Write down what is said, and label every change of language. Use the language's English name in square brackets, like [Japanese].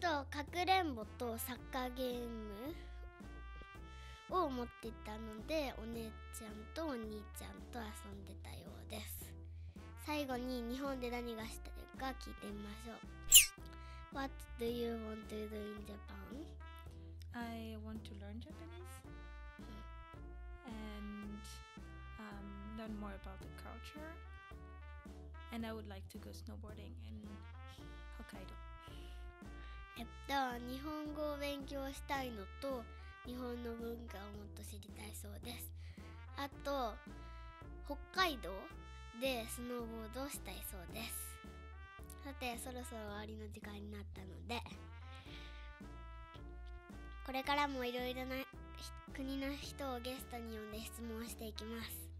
[Japanese] かくれんぼとサッカーゲームを持っていたので、お姉ちゃんとお兄ちゃんと遊んでたようです。最後に日本で何がしたいか聞いてみましょう。 [English] What do you want to do in Japan? I want to learn Japanese and learn more about the culture, and I would like to go snowboarding in Hokkaido. [Japanese] 日本語を勉強したいのと日本の文化をもっと知りたいそうです。あと北海道でスノーボードをしたいそうです。さてそろそろ終わりの時間になったので、これからもいろいろな国の人をゲストに呼んで質問していきます。